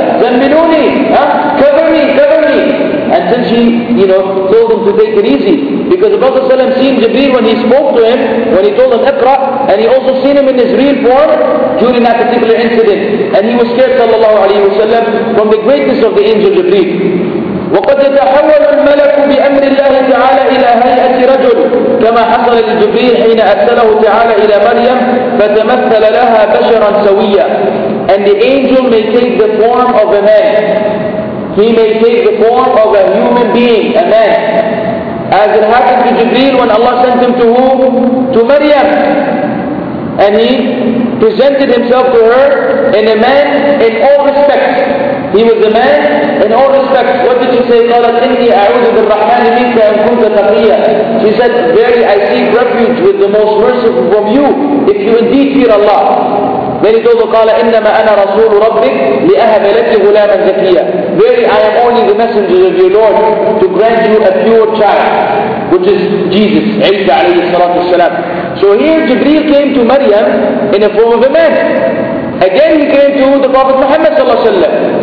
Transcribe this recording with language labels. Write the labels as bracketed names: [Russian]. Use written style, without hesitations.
[English] Zambinuni, cover me, cover me. And since she, you know, told him to take it easy. Because the Prophet ﷺ seen Jibreel when he spoke to him, when he told him Iqra, and he also seen him in his real form during that particular incident. And he was scared, sallallahu alayhi wa sallam, from the greatness of the angel Jibreel. [Arabic] وقد يتحول الملك بأمر الله تعالى إلى هيئة رجل كما حصل لجبريل حين أرسله تعالى إلى مريم فتمثل لها بشرا سويا. [English] And the angel may take the form of a man. He may take the form of a human being, a man. As it happened to Jibreel when Allah sent him to whom? To Maryam. And he presented himself to her in a man in all respects. He was a man in all respects. What did she say? [Arabic] قالت إني أعوذ بالرحمن منك أن كنت تقيا. [English] She said, "Verily, I seek refuge with the most merciful from you, if you indeed fear Allah." Then he told her, [Arabic] قال إنما أنا رسول ربك لأهب لك غلاما زكيا. [English] Verily, I am only the messenger of your Lord to grant you a pure child, which is Jesus, عيسى عليه الصلاة والسلام. So here Jibreel came to Maryam in a form of a man. Again he came to the Prophet Muhammad صلى الله عليه وسلم.